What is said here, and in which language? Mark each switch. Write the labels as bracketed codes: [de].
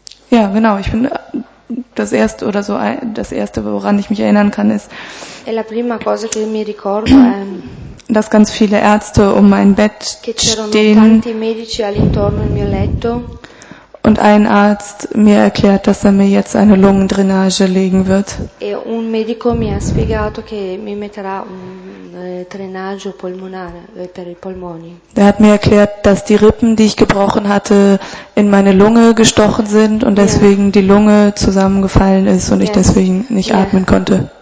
[de] Ja, genau, ich bin das erste oder so ein, das erste, woran ich mich erinnern kann, ist, [it] E la prima cosa che mi ricordo è [de] dass ganz viele Ärzte um mein Bett [it] che c'erano tanti [de] stehen [it] medici all'intorno al mio letto [de] und ein Arzt mir erklärt, dass er mir jetzt eine Lungendrainage legen wird. [it] e un medico mi ha spiegato che mi metterà un drenaggio polmonare per i polmoni. [de] Er hat mir erklärt, dass die Rippen, die ich gebrochen hatte, in meine Lunge gestochen sind und deswegen die Lunge zusammengefallen ist und ich deswegen nicht atmen konnte.